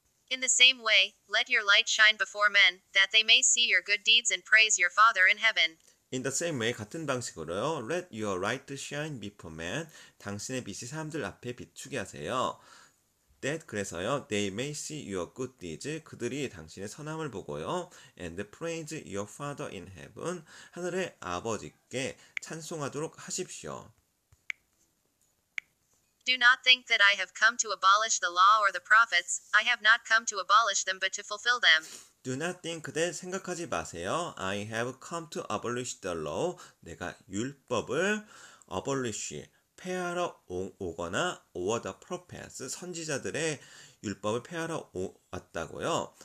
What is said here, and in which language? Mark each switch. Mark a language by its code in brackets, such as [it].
[en] In the same way, let your light shine before men, that they may see your good deeds and praise your Father in heaven. In the same way, [ko] 같은 방식으로요. [en] Let your light shine before men. [ko] 당신의 빛이 사람들 앞에 비추게 하세요. [en] That, [ko] 그래서요. [en] They may see your good deeds. [ko] 그들이 당신의 선함을 보고요. [en] And praise your Father in heaven. [ko] 하늘의 아버지께 찬송하도록 하십시오. [en] Do not think that I have come to abolish the law or the prophets. I have not come to abolish them, but to fulfill them. Do not think that [ko] 생각하지 마세요. [en] I have come to abolish the law. [ko] 내가 율법을 abolish 폐하러 오거나 [en] or the prophets [ko] 선지자들의 율법을 폐하러 왔다고요.